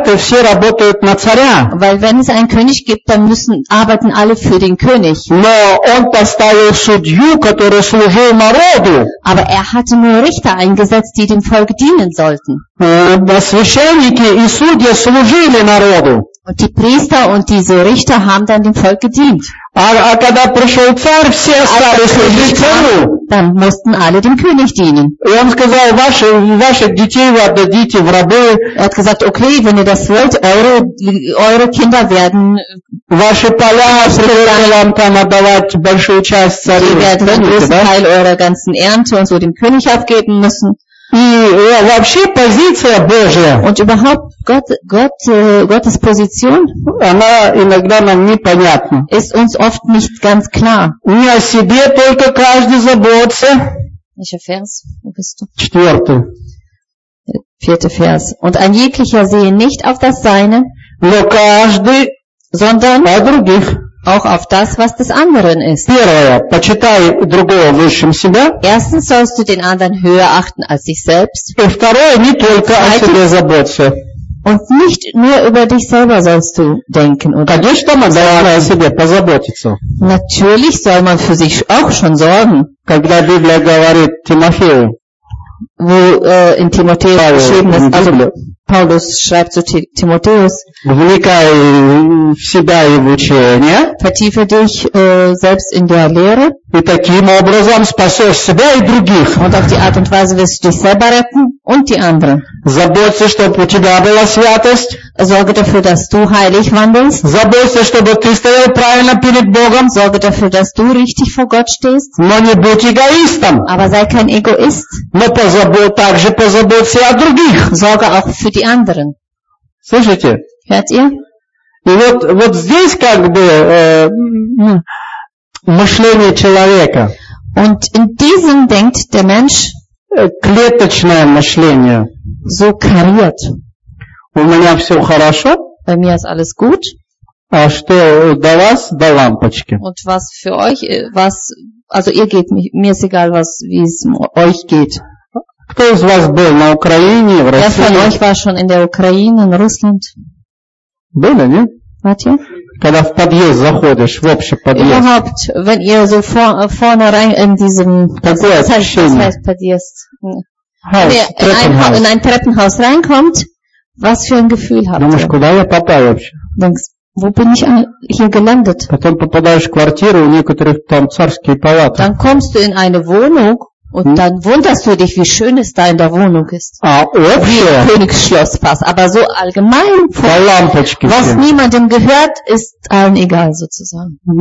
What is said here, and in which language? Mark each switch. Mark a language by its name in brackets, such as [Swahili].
[German] Weil wenn es einen König gibt, dann müssen arbeiten alle für den König. Aber er hatte nur Richter eingesetzt, die dem Volk dienen sollten. Und die Priester und diese Richter haben dann dem Volk gedient. [Russian] А когда пришел царь, все стали служить царю. [German] Dann mussten alle dem König dienen. [Russian] И он сказал, ваши детей вы отдадите в рабы. [German] Er hat gesagt, okay, wenn ihr das wollt, eure Kinder werden [Russian] ваши поля, вам там отдавать большую часть царю. [German] Die werden den größten Teil eurer ganzen Ernte und so dem König abgeben müssen. [Russian] И вообще позиция Божья. [German] Und überhaupt Gottes Position, [Russian] она иногда нам непонятна. [German] Ist uns oft nicht ganz klar. [Russian] Не о себе только каждый заботится. [German] Welcher Vers? Wo bist du? [Russian] Четвертый. [German] Vierte Vers. Und ein jeglicher sehe nicht auf das Seine, [Russian] но каждый, [German] sondern [Russian] о других. [German] Auch auf das, was des anderen ist. [Russian] Первое, почитай другого выше себя. [German] Erstens sollst du den anderen höher achten als dich selbst. [Russian] И второе, не только о себе заботиться. [German] Und nicht nur über dich selber sollst du denken, oder? [Russian] Конечно, [German] man soll [Russian] о себе позаботиться. [German] Natürlich soll man für sich auch schon sorgen. [Russian] Когда Библия говорит Тимофею. [German] Wo in Timotheus Павел, geschrieben ist, also Paulus schreibt zu Timotheus, [Russian] вникай в себя и в учение, [German] vertiefe dich selbst in der Lehre, [Russian] и таким образом спасешь себя и других. [German] Und auf die Art und Weise wirst du dich selber retten und die anderen. [Russian] Заботься, чтобы у тебя была святость. [German] Sorge dafür, dass du heilig wandelst. [Russian] Заботься, чтобы ты стоял правильно перед Богом. [German] Sorge dafür, dass du richtig vor Gott stehst. [Russian] Но не будь эгоистом. [German] Aber sei kein Egoist. [Russian] Но также позаботься о других. [German] Sorge auch für die anderen. [Russian] Слышите? [German] Hört ihr? [Russian] И вот здесь как бы мышление человека. [German] Und in diesem denkt der Mensch. [Russian] Клеточное мышление. [German] So kariert. [Russian] У меня все хорошо. [German] Bei mir ist alles gut. [Russian] А что для вас, до лампочки. [German] Und was für euch, was, also ihr geht, mir ist egal, was, wie es euch geht. [Russian] Кто из вас был на Украине, в России? [German] Wer von euch war schon in der Ukraine, in Russland? [Russian] Были, не? [German] Warte. [Russian] Когда в подъезд заходишь, в общий подъезд. [German] Überhaupt, wenn ihr so vorne rein in diesem, was heißt Podest? In ein Treppenhaus reinkommt, was für ein Gefühl habt ihr? [Russian] Думаешь, куда я попал вообще? [German] Denkst, wo bin ich hier gelandet? [Russian] Потом попадаешь в квартиру, у некоторых там царские палаты. [German] Dann kommst du in eine Wohnung, und dann wunderst du dich, wie schön es da in der Wohnung ist. Wie ein Königsschloss fast. Aber so allgemein, was niemandem gehört, ist allen egal sozusagen.